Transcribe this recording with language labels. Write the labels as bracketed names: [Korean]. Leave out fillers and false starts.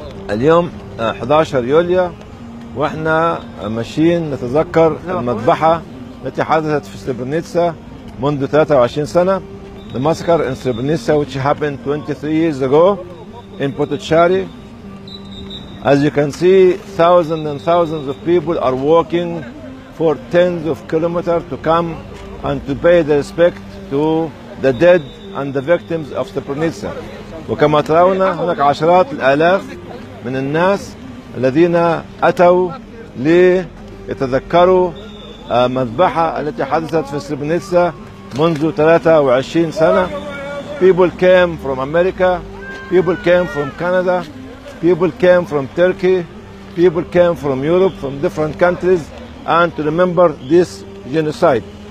[Arabic] اليوم 11 يوليو واحنا ماشيين نتذكر المذبحة التي حدثت في سربنيتسا منذ 23 سنة. [English] The massacre in Srebrenica which happened 23 years ago in Potoczari. As you can see, thousands and thousands of people are walking for tens of kilometers to come and to pay the respect to the dead and the victims of Srebrenica. [Arabic] وكما ترون هناك عشرات الآلاف من الناس الذين أتوا ليتذكروا مذبحة التي حدثت في Srebrenica منذ 23 سنة. [English] People came from America, people came from Canada, people came from Turkey, people came from Europe, from different countries, and to remember this genocide.